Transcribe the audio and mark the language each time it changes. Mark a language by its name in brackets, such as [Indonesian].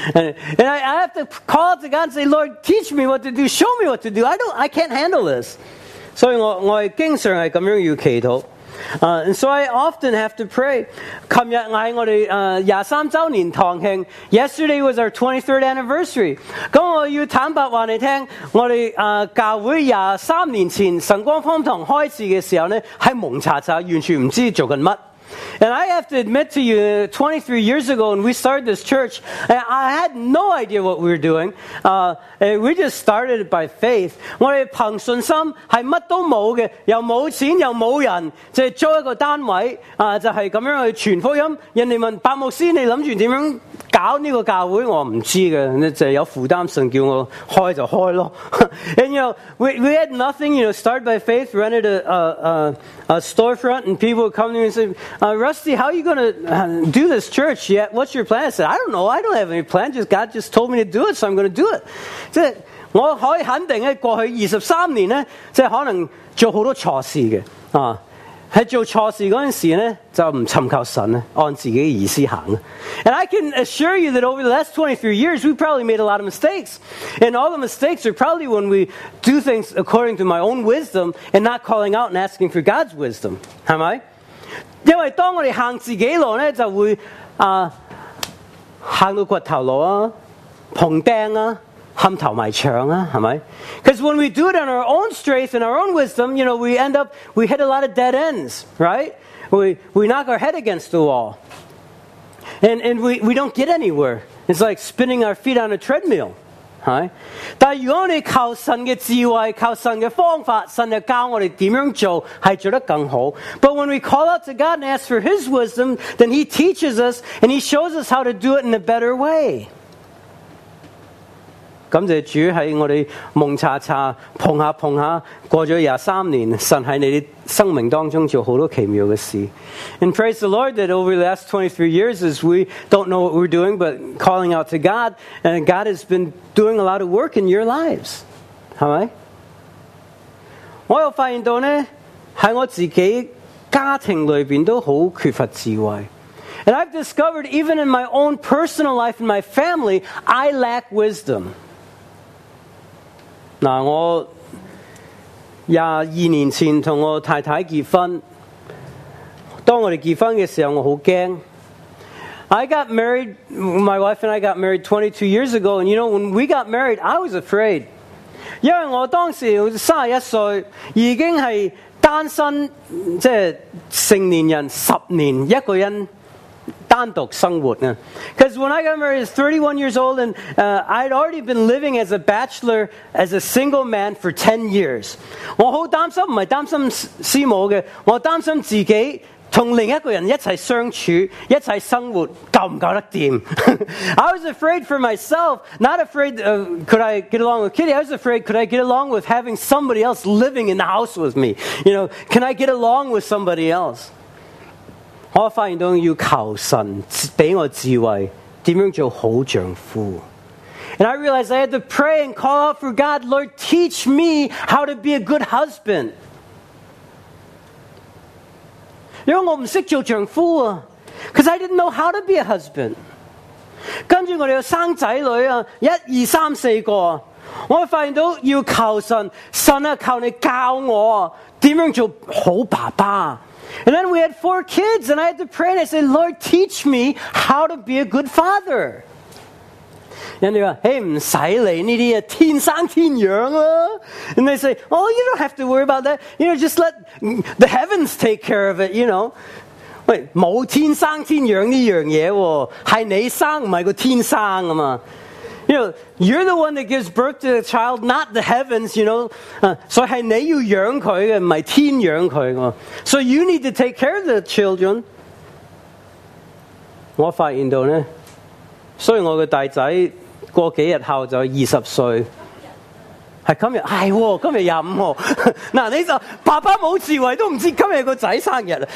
[English] And I have to call out to God and say, Lord, teach me what to do, show me what to do. I can't handle this. [Cantonese] 所以我经常系咁样要祈祷。 [English] And so I often have to pray. [Cantonese] 昨天是我们23周年堂庆, [English] yesterday was our 23rd anniversary. [Cantonese] 我要坦白告诉你,我们教会23年前神光方堂开始的时候,是蒙查查,完全不知道在做什么。 [English] And I have to admit to you, 23 years ago when we started this church, I had no idea what we were doing. We just started it by faith. [Cantonese] 我们凭信心是什么都没有的,又没有钱,又没有人,就是做一个单位,就是这样去传福音,人家问白牧师,你想着怎样搞呢个教会我唔知嘅，就是、有负担神叫我开就开咯。 [English] And you know, we had nothing. You know, start by faith, rented a storefront, and people would come to me and say, "Rusty, how are you going to do this church yet? What's your plan?" I said, "I don't know. I don't have any plan. Just God just told me to do it, so I'm going to do it." [Cantonese] 即系我可以肯定咧，过去23年咧，即系可能做好多错事嘅啊。在做错事的时候呢，就不寻求神，按自己的意思行。 [English] And I can assure you that over the last 23 years, we probably made a lot of mistakes. And all the mistakes are probably when we do things according to my own wisdom and not calling out and asking for God's wisdom. [Cantonese] 是不是？因为当我们行自己路呢，就会行到骨头路啊，碰钉啊，陷头埋墙啊，是不是？ [English] Because when we do it on our own strength and our own wisdom, you know, we end up, we hit a lot of dead ends, right? We knock our head against the wall. And we don't get anywhere. It's like spinning our feet on a treadmill. Right? [Cantonese] 但如果你靠神的智慧，靠神的方法，神就教我们怎样做，是做得更好。 [English] But when we call out to God and ask for His wisdom, then He teaches us and He shows us how to do it in a better way. [Cantonese] 感谢主在我们蒙查查碰下碰下过了23年，神在你的生命当中做很多奇妙的事。 [English] And praise the Lord that over the last 23 years as we don't know what we're doing but calling out to God, and God has been doing a lot of work in your lives. [Cantonese] 是不是？我又发现到呢，在我自己家庭里面都很缺乏智慧。 [English] And I've discovered even in my own personal life, in my family, I lack wisdom. [Cantonese] 嗱，我22年前同我太太结婚。当我哋结婚嘅时候，我好惊。 [English] I got married, my wife and I got married 22 years ago, and you know when we got married, I was afraid. [Cantonese] 因为我当时31岁，已经系单身，即系成年人10年，一个人。 [English] Because when I got married, I was 31 years old, and I'd already been living as a bachelor, as a single man for 10 years. [Cantonese] 我好担心，唔系担心师母嘅，我担心自己同另一个人一齐相处，一齐生活够唔够得掂。 [English] I was afraid for myself, not afraid of could I get along with Kitty. I was afraid could I get along with having somebody else living in the house with me. You know, can I get along with somebody else? [Cantonese] 我发现到要求神俾我智慧，点样做好丈夫。 [English] And I realized I had to pray and call out for God, Lord, teach me how to be a good husband. [Cantonese] 因为我唔识做丈夫啊 [English] ，because I didn't know how to be a husband. [Cantonese] 跟住我哋要生仔女啊，1、2、3、4个。我发现到要求神，神啊，求你教我点样做好爸爸。 [English] And then we had 4 kids, and I had to pray, and I said, Lord, teach me how to be a good father. And they go, hey, [Cantonese] 不用你这些天生天养啊。 [English] And they say, oh, you don't have to worry about that. You know, just let the heavens take care of it, you know. [Cantonese] Wait, 没天生天养这样东西，是你生，不是个天生嘛。 [English] You know, you're the one that gives birth to the child, not the heavens, you know. [Cantonese] So, 是你要养他的，不是天养他的。 [English] So, you need to take care of the children. [Cantonese] 我发现到呢，所以我的大仔过几日后就20岁。是今日，哎哟，今日25号。那你说，爸爸没智慧都不知道今日个仔生日。